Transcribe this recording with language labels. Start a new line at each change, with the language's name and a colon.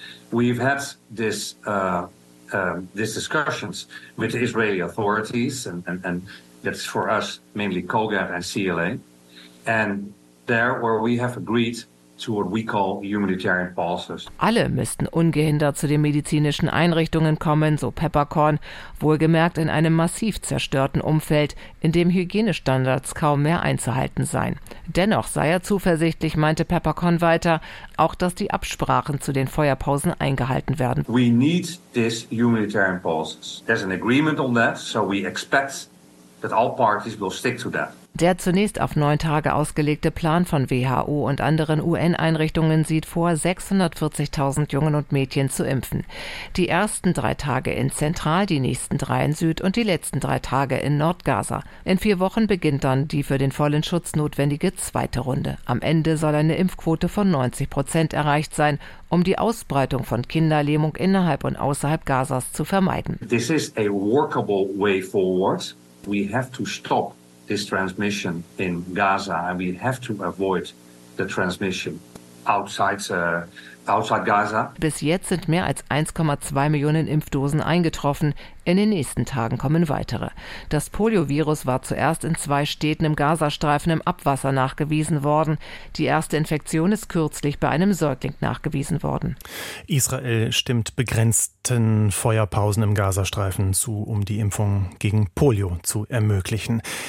English: We've had these discussions with the Israeli authorities, and that's for us mainly COGAT and CLA, and there where we have agreed to what we call humanitarian pauses.
German: Alle müssten ungehindert zu den medizinischen Einrichtungen kommen, so Peppercorn, wohlgemerkt in einem massiv zerstörten Umfeld, in dem Hygienestandards kaum mehr einzuhalten seien. Dennoch sei er zuversichtlich, meinte Peppercorn weiter, auch dass die Absprachen zu den Feuerpausen eingehalten werden.
English: We need this humanitarian pauses. There's an agreement on that, so we expect that all parties will stick to that.
German: Der zunächst auf 9 Tage ausgelegte Plan von WHO und anderen UN-Einrichtungen sieht vor, 640.000 Jungen und Mädchen zu impfen. Die ersten 3 Tage in Zentral, die nächsten 3 in Süd und die letzten 3 Tage in Nordgaza. In 4 Wochen beginnt dann die für den vollen Schutz notwendige 2. Runde. Am Ende soll eine Impfquote von 90% erreicht sein, um die Ausbreitung von Kinderlähmung innerhalb und außerhalb Gazas zu vermeiden.
English: This is a workable way forward. We have to stop this transmission in Gaza, and we have to avoid the transmission outside Gaza.
German: Bis jetzt sind mehr als 1,2 Millionen Impfdosen eingetroffen. In den nächsten Tagen kommen weitere. Das Poliovirus war zuerst in 2 Städten im Gazastreifen im Abwasser nachgewiesen worden. Die erste Infektion ist kürzlich bei einem Säugling nachgewiesen worden. Israel stimmt begrenzten Feuerpausen im Gazastreifen zu, um die Impfung gegen Polio zu ermöglichen.